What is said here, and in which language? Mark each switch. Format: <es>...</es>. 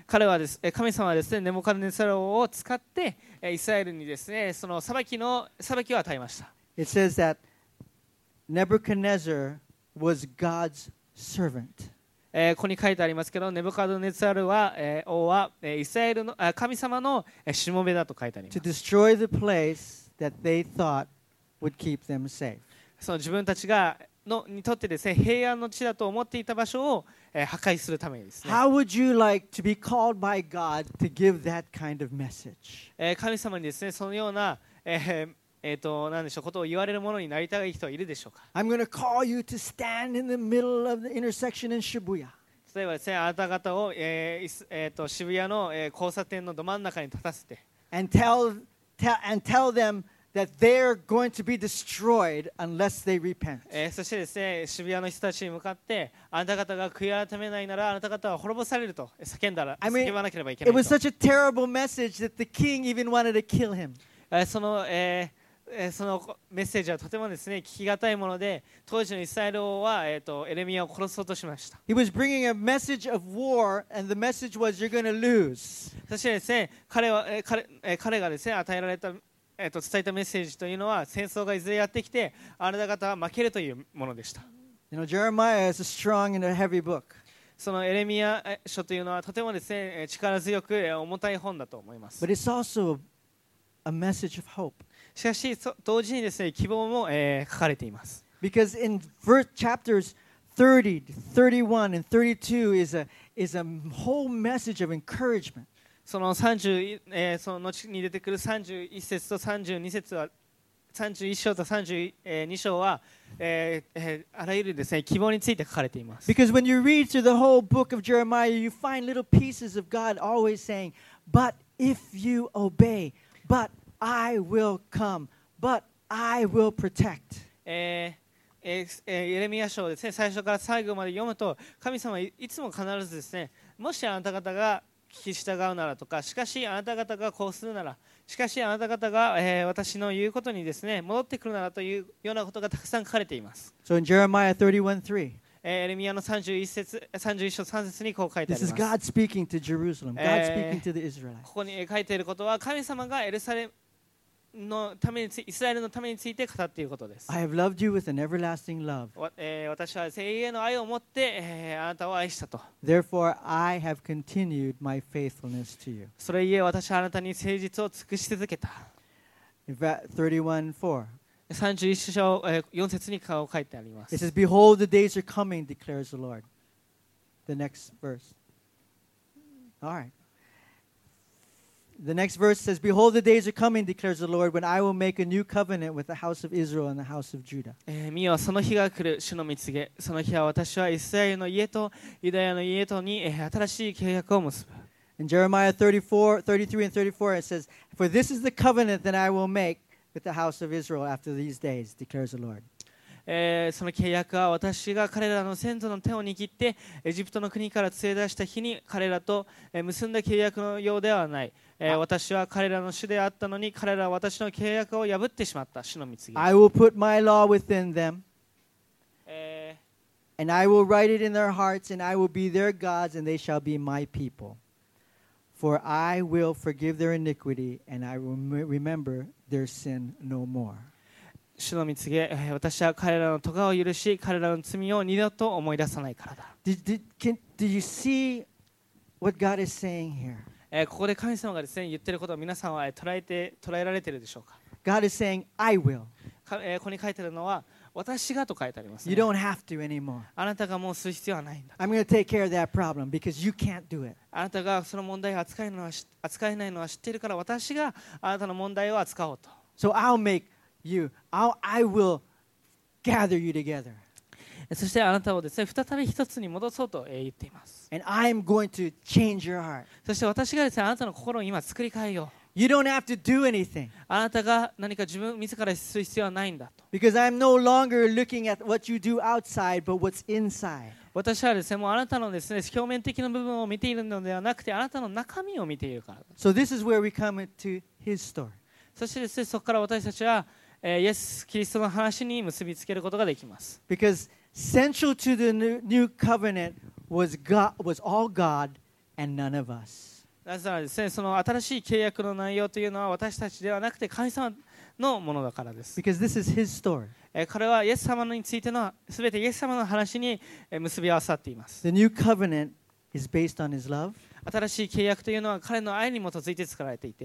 <ja>彼はですね、神様はですね、ネボカドネザル王を使ってイスラエルにですね、その裁きを与えました。</ja> <en>It says that Nebuchadnezzar was God's servant.</en> <ja>ここに書いてありますけど、ネボカドネザル王はイスラエルの神様のしもべだと書いてあります。</ja> <en>To destroy the place that they thought would keep them safe.</en> <ja>その自分たちがのにとってですね、平安の地だと思っていた場所を、破壊するためにですね。</ja> <en>How would you like to be called by God to give that kind of message?</en> <ja>神様にですね、そのような、何でしょう、ことを言われるものになりたい人はいるでしょうか。</ja> <en>I'm going to call you to stand in the middle of the intersection in Shibuya.</en> <ja>例えばですね、あなた方を、渋谷の、交差点のど真ん中に立たせて。</ja> <en>And tell them. That they're going to be destroyed unless they repent.</en> <ja>そしてですね、渋谷の人たちに向かって、あなた方が悔い改めないなら、あなた方は滅ぼされると叫んだら、叫ばなければいけない。</ja> <en>It was such a terrible message that the king even wanted to kill him.</en> <ja>そのメッセージはとてもですね、聞きがたいもので、当時のイスラエル王はエレミアを殺そうとしました。</ja> <en>He was bringing a message of war, and the message was you're going to lose.</en> <ja>そしてですね、彼がですね、与えられた伝えたメッセージというのは、戦争がいずれやってきて、あなた方は負けるというものでした。</ja> <en>You know, Jeremiah is a strong and a heavy book.</en> <ja>そのエレミア書というのはとてもですね、力強く重たい本だと思います。</ja> <en>But it's also a message of hope.</en> <ja>しかし、同時にですね、希望も書かれています。</ja> <en>Because in verse chapters 30, 31, and 32 is a whole message of encouragement.</en> <ja>その30、その後に出てくる31節と32節は31章と32章は、あらゆるですね、希望について書かれています。</ja> <en>Because when you read through the whole book of Jeremiah, you find little pieces of God always saying, But if you obey, but I will come, but I will protect.</en> <ja>エレミヤ書をですね、最初から最後まで読むと、神様はいつも必ずですね、もしあなた方が聞き従うならとか、しかしあなた方がこうするなら、しかしあなた方が、私の言うことにですね、戻ってくるならというようなことがたくさん書かれています。</ja> <en>So in Jeremiah 31:3,</en> <ja>エレミヤの31節、31章3節にこう書いてあります。</ja> <en>This is God speaking to Jerusalem, God speaking to the Israelites.</en> <ja>ここに書いていることは、神様がエルサレのためについ、イスラエルのためについて語っていることです。</ja> <en>I have loved you with an everlasting love.</en> <ja>私は永遠の愛を持って、あなたを愛したと。</ja> <en>Therefore, I have continued my faithfulness to you.</en> <ja>それゆえ私はあなたに誠実を尽くし続けた。</ja> <en>31:4.</en> <ja>31章、4節に書いてあります。</ja> <en>It says, Behold, the days are coming, declares the Lord. The next verse. All right. The next verse says, Behold, the days are coming, declares the Lord, when I will make a new covenant with the house of Israel and the house of Judah.</en> <ja>見よ、その日が来る、主の御告げ。その日は私はイスラエルの家とユダヤの家とに新しい契約を結ぶ。</ja> <en>In Jeremiah 33:34, it says, For this is the covenant that I will make with the house of Israel after these days, declares the Lord.</en> <ja>その契約は私が彼らの先祖の手を握って、エジプトの国から連れ出した日に彼らと結んだ契約のようではない。私は彼らの主であったのに彼らは私の契約を破ってしまった主の御告げ</ja> <en>I will put my law within them and I will write it in their hearts and I will be their gods and they shall be my people for I will forgive their iniquity and I will remember their sin no more</en> <ja>主の御告げ私は彼らの咎を許し彼らの罪を二度と思い出さないからだ</ja> <en>Do you see what God is saying here?</en> <ja>ここで神様がですね言ってることを皆さんは捉えられているでしょうか</ja> <en>God is saying, I will.</en> <ja>ここに書いてるのは私がと書いてありますね</ja> <en>You don't have to anymore.</en> <ja>あなたがもうする必要はないんだ</ja> <en>I'm going to take care of that problem because you can't do it.</en> <ja>あなたがその問題を扱えないのは知っているから私があなたの問題を扱おうと</ja> <en>So I'll make you, I will gather you together.</en> <ja>そしてあなたをですね再び一つに戻そうと言っています</ja> <en>And I'm going to change your heart.</en> <ja>そして私がですね、あなたの心を今作り変えよう。</ja> <en>You don't have to do anything.</en> <ja>あなたが何か自分自らする必要はないんだと。</ja> <en>Because I'm no longer looking at what you do outside, but what's inside.</en> <ja>私はですね、もうあなたのですね、表面的な部分を見ているのではなくて、あなたの中身を見ているからだ。</ja> <en>So this is where we come to His story.</en> <ja>そしてですね、そこから私たちはイエス・キリストの話に結びつけることができます。</ja> <en>Because central to the new covenant. Was all God and none of us.</en> <ja>なぜならですね、その新しい契約の内容というのは私たちではなくて神様のものだからです。</ja> <en>Because this is His story.</en> <ja>これはイエス様についての全てイエス様の話に結び合わさっています。</ja> <en>The new covenant is based on His love.</en> <ja>新しい契約というのは彼の愛に基づいて作られていて、</ja>